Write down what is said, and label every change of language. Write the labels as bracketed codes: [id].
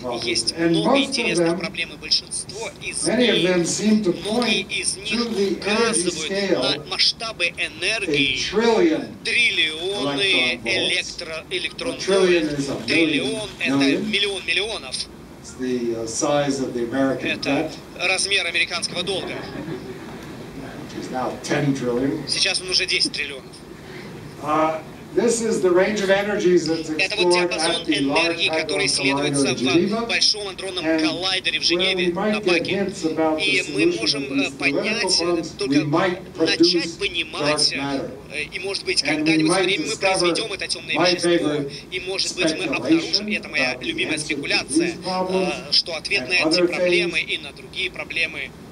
[ru] Есть много интересных проблем, и большинство из них, многие из них указывают на масштабы энергии, триллионы электронов. Триллион — это миллион миллионов. [en] The size of the American debt. [ru] Это размер американского долга. [en] It's now 10 trillion. [ru] Сейчас он уже 10 триллионов. [en] This is the range of energies that's explored. [ru] Это вот диапазон энергии, который исследуется в большом адронном коллайдере в Женеве на Баке. И мы можем понять, только начать понимать, и может быть когда-нибудь во время мы произведем это темное вещество, и может быть мы обнаружим, это моя любимая спекуляция, что ответ на эти проблемы и на другие проблемы.